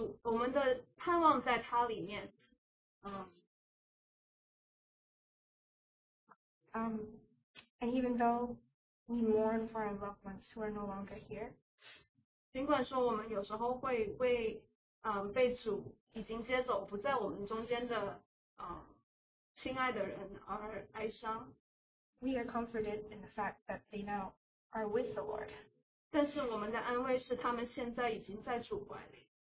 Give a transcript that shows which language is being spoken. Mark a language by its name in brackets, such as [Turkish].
[Chinese] 也同时让我回顾到确实我们的盼望在他里面。 [English] And even though we mourn for our loved ones who are no longer here, [Chinese] 尽管说我们有时候会为被主已经接走不在我们中间的亲爱的人而哀伤, [English] we are comforted in the fact that they now are with the Lord. [Chinese] 但是我们的安慰是他们现在已经在主怀里,